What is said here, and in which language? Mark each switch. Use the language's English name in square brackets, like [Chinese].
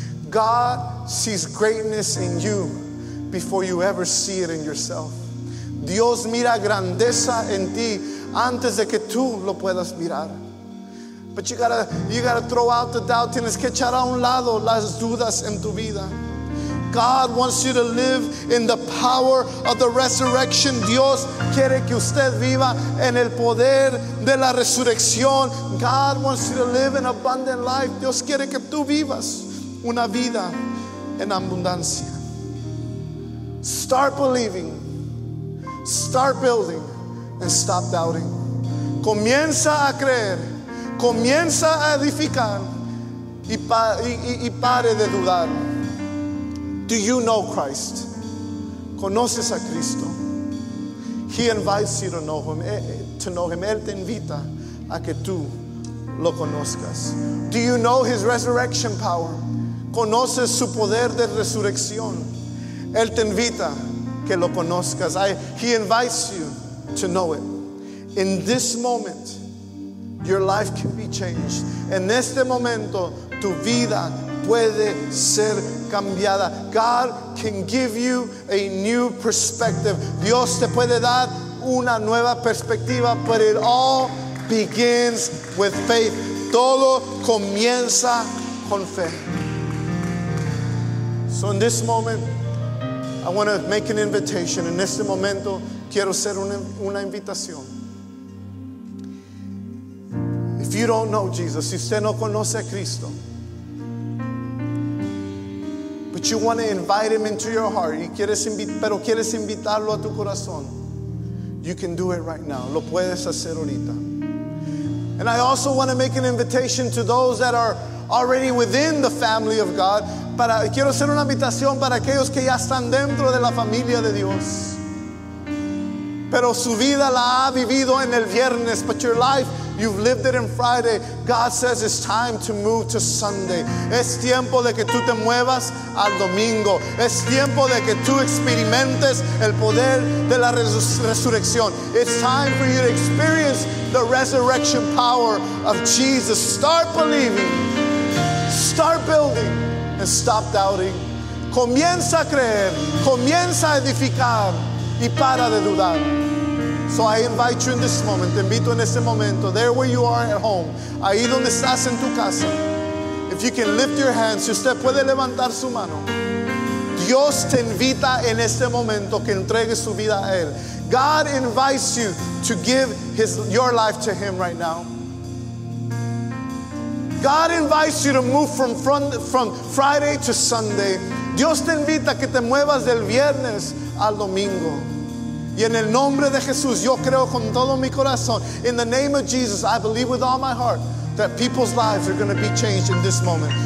[English] God sees greatness in you before you ever see it in yourself. [Spanish] Dios mira grandeza en ti antes de que tú lo puedas mirar. [English] But you gotta throw out the doubt. [Spanish] Tienes que echar a un lado las dudas en tu vida. [English] God wants you to live in the power of the resurrection. [Spanish] Dios quiere que usted viva en el poder de la resurrección. [English] God wants you to live an abundant life. [Spanish] Dios quiere que tú vivas una vida en abundancia. [English] Start believing, start building, and stop doubting. [Spanish] Comienza a creer, comienza a edificar, y pare de dudar. [English] Do you know Christ? [Spanish] ¿Conoces a Cristo? [English] He invites you to know him. [Spanish] Él te invita a que tú lo conozcas. [English] Do you know his resurrection power? [Spanish] ¿Conoces su poder de resurrección? Él te invita que lo conozcas. [English] He invites you to know it. In this moment, your life can be changed. [Spanish] En este momento, tu vida puede ser cambiada. [English] God can give you a new perspective. [Spanish] Dios te puede dar una nueva perspectiva, [English] but it all begins with faith. [Spanish] Todo comienza con fe. [English] So in this moment, I want to make an invitation. [Spanish] En este momento, quiero hacer una invitación. [English] If you don't know Jesus, [Spanish] si usted no conoce a Cristo, [English] but you want to invite him into your heart, [Spanish] pero quieres invitarlo a tu corazón, [English] you can do it right now. [Spanish] Lo puedes hacer ahorita. [English] And I also want to make an invitation to those that are already within the family of God. [Spanish] Quiero hacer una invitación para aquellos que ya están dentro de la familia de Dios, pero su vida la ha vivido en el viernes. [English] But your life, you've lived it in Friday. God says it's time to move to Sunday. [Spanish] Es tiempo de que tú te muevas al domingo. Es tiempo de que tú experimentes el poder de la resurrección. [English] It's time for you to experience the resurrection power of Jesus. Start believing, start building, and stop doubting. [Spanish] Comienza a creer, comienza a edificar, y para de dudar. [English] So I invite you in this moment, [Spanish] te invito en este momento, [English] there where you are at home, [Spanish] ahí donde estás en tu casa, [English] if you can lift your hands, [Spanish] si usted puede levantar su mano, [English] do [Spanish] Dios te invita en este momento que entregues su vida a Él. [English] God invites you to give your life to Him right now. God invites you to move from Friday to Sunday. [Spanish] Dios te invita que te muevas del viernes al domingo. Y en el nombre de Jesús, yo creo con todo mi corazón. [English] In the name of Jesus, I believe with all my heart that people's lives are going to be changed in this moment.